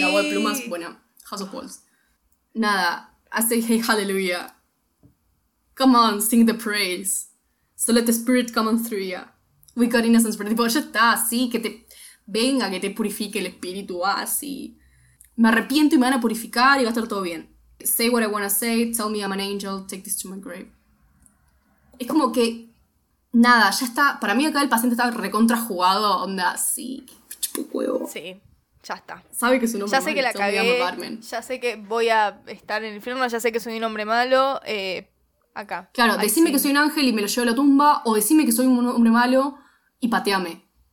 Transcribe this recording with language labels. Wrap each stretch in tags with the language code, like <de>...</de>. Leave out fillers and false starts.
<es>Lago de plumas. Bueno, House of Walls. Nada, hace hey, hallelujah.</es> <en>Come on, sing the praise. So let the spirit come on through ya. We got innocence.</en> <es>Pero tipo, ya está, sí, que te venga, que te purifique el espíritu, así. Me arrepiento y me van a purificar y va a estar todo bien.</es> <en>Say what I wanna say, tell me I'm an angel, take this to my grave.</en> <es>Es como que, nada, ya está. Para mí acá el paciente está recontrajugado, onda, sí, qué chupo huevo. Sí, ya está. Sabe que es un hombre ya malo. Ya sé que la cagué, ya sé que voy a estar en el infierno, ya sé que soy un hombre malo, acá. Claro, decime que soy un ángel y me lo llevo a la tumba, o decime que soy un hombre malo y pateame.</es>